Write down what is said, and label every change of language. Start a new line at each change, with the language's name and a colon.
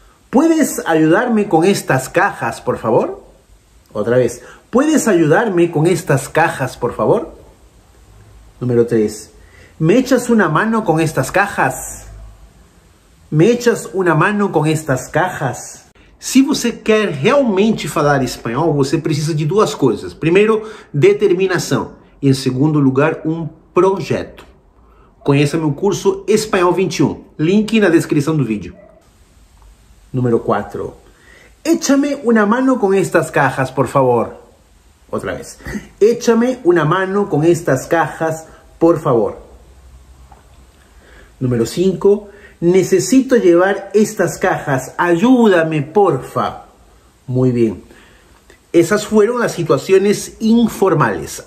Spanish: ¿Puedes ayudarme con estas cajas, por favor? Otra vez. ¿Puedes ayudarme con estas cajas, por favor? Número 3. ¿Me echas una mano con estas cajas? ¿Me echas una mano con estas cajas?
Portuguese: Si você quer realmente falar espanhol, você precisa de 2 coisas. Primeiro, determinação. E em segundo lugar, projeto. Conheça meu curso Espanhol 21. Link na descrição do vídeo. Número 4.
Spanish: Échame una mano con estas cajas, por favor.
Portuguese: Outra vez.
Spanish: Échame una mano con estas cajas, por favor. Número 5. Necesito llevar estas cajas. Ayúdame, porfa. Muy bien. Esas fueron las situaciones informales.